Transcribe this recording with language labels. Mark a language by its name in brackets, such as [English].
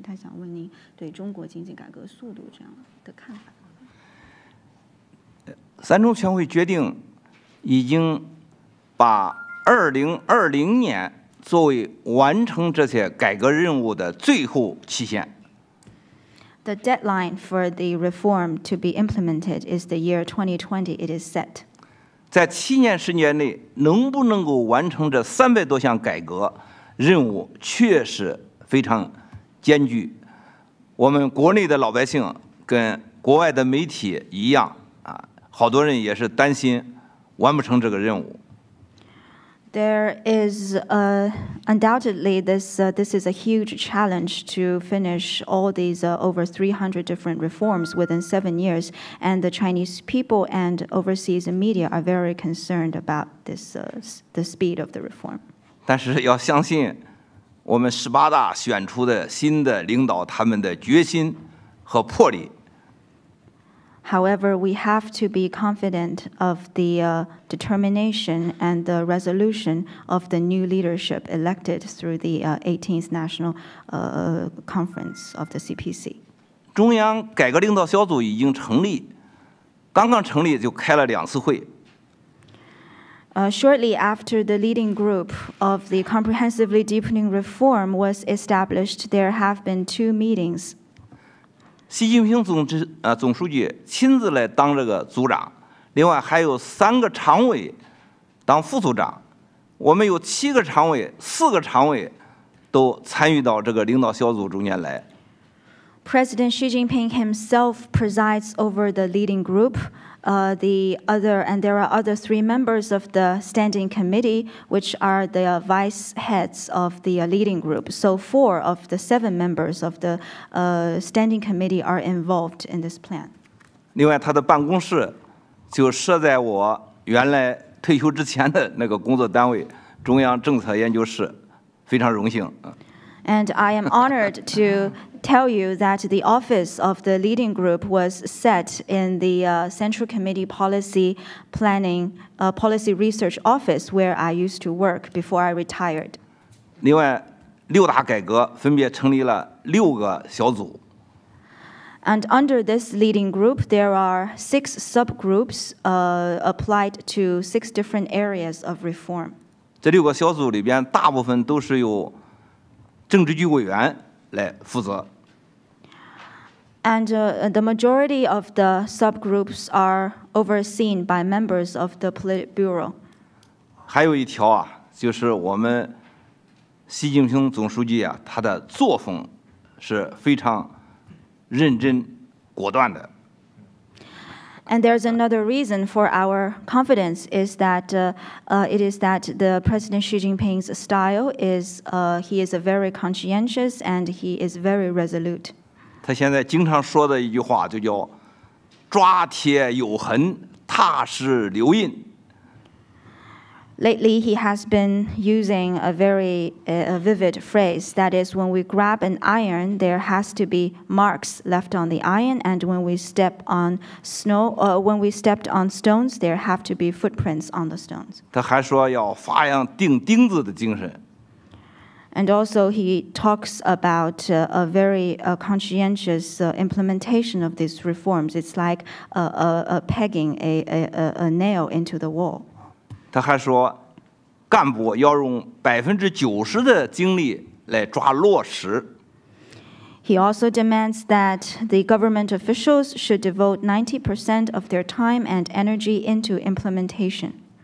[Chinese] 他想问您对中国经济改革速度这样的看法。三中全会决定已经把2020年作为完成这些改革任务的最后期限。 [English] The deadline for the reform to be implemented is the year 2020. It is set. [Chinese] 在7年10年内能不能够完成这300多项改革任务确实非常艰巨。我们国内的老百姓跟国外的媒体一样啊，好多人也是担心完不成这个任务。 [English] There is undoubtedly this is a huge challenge to finish all these over 300 different reforms within 7 years, and the Chinese people and overseas media are very concerned about this the speed of the reform. [Chinese] 但是要相信我们十八大选出的新的领导他们的决心和魄力。 [English] However, we have to be confident of the determination and the resolution of the new leadership elected through the 18th National Conference of the CPC. [Chinese] 中央改革领导小组已经成立，刚刚成立就开了两次会。 [English] Shortly after the leading group of the comprehensively deepening reform was established, there have been 2 meetings. [Chinese] 习近平总书记亲自来当这个组长，另外还有3个常委当副组长，我们有7个常委，4个常委都参与到这个领导小组中间来。 [English] President Xi Jinping himself presides over the leading group. There are other 3 members of the standing committee, which are the vice heads of the leading group. So 4 of the 7 members of the standing committee are involved in this plan. [Chinese] 另外，他的办公室就设在我原来退休之前的那个工作单位——中央政策研究室，非常荣幸。 [English] And I am honored to tell you that the office of the leading group was set in the Central Committee Policy Planning, Policy Research Office, where I used to work before I retired. [Chinese] 另外，六大改革分别成立了6个小组。 [English] And under this leading group, there are 6 subgroups applied to 6 different areas of reform. [Chinese] 这六个小组里边，大部分都是由政治局委员来负责。 [English] And the majority of the subgroups are overseen by members of the Politburo. [Chinese] 还有一条啊，就是我们习近平总书记啊，他的作风是非常认真果断的。 [English] And there's another reason for our confidence is that it is that the President Xi Jinping's style is he is a very conscientious and he is very resolute. [Chinese] 他现在经常说的一句话就叫抓铁有痕，踏实留印。 [English] Lately, he has been using a very vivid phrase. That is, when we grab an iron, there has to be marks left on the iron, and when we step on snow, when we stepped on stones, there have to be footprints on the stones. [Chinese] 他还说要发扬钉钉子的精神。 [English] And also he talks about a very conscientious implementation of these reforms. It's like pegging a nail into the wall. [Chinese] 他还说, 干部要用 90% 的精力来抓落实。 [English] He also demands that the government officials should devote 90% of their time and energy into implementation.